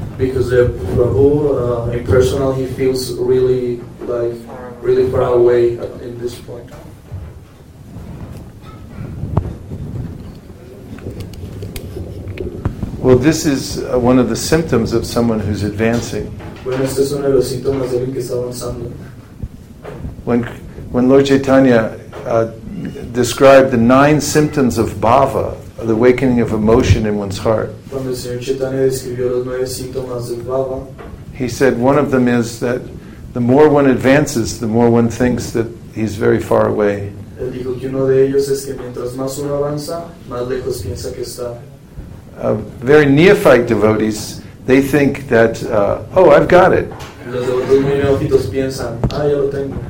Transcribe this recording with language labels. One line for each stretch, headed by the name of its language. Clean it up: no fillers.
English: Because the Prabhu, in personal, he feels really like really far away in this point. Well, this is one of the symptoms of someone who's advancing.
Spanish: Bueno, este es uno de los síntomas de alguien que está avanzando.
English: When Lord Chaitanya described the 9 symptoms of bhava, the awakening of emotion in one's heart,
Spanish: cuando el señor Chaitanya describió los 9 síntomas del bhava,
English: he said one of them is that the more one advances, the more one thinks that he's very far away.
Spanish: Él dijo que uno de ellos es que mientras más uno avanza, más lejos piensa que está.
English: Very neophyte devotees, they think that, I've got it.
Spanish: Los devotos muy neófitos piensan, ah, ya lo tengo.